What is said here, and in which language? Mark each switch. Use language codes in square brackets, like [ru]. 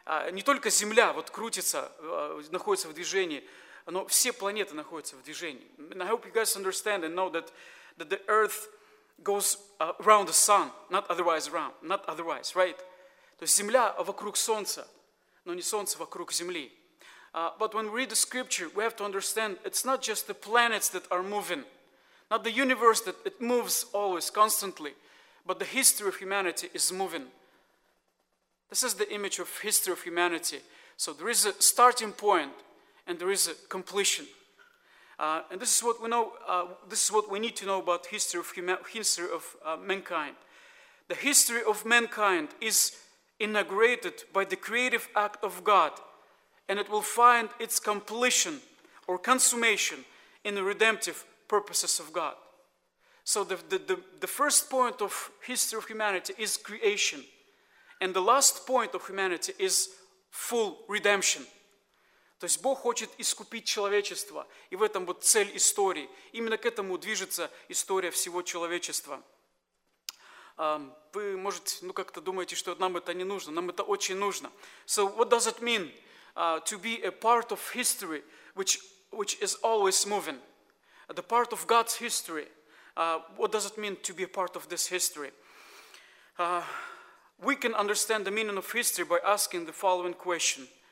[ru] Не только Земля вот крутится, находится в движении, но все планеты находятся в движении. [en] And I hope you guys understand and know that the Earth goes around the sun, not otherwise, right? [ru] То есть Земля вокруг Солнца, но не Солнце вокруг Земли. [en] But when we read the scripture, we have to understand it's not just the planets that are moving, not the universe that it moves always, constantly, but the history of humanity is moving. This is the image of history of humanity. So there is a starting point and there is a completion. And this is what we know. This is what we need to know about history of mankind. The history of mankind is inaugurated by the creative act of God, and it will find its completion or consummation in the redemptive purposes of God. So the first point of history of humanity is creation, and the last point of humanity is full redemption. [ru] То есть Бог хочет искупить человечество, и в этом вот цель истории. Именно к этому движется история всего человечества. Вы, может, ну как-то думаете, что нам это не нужно, нам это очень нужно. [en] So what does it mean to be a part of history which is always moving? The part of God's history. What does it mean to be a part of this history? We can understand the meaning of history by asking the following question.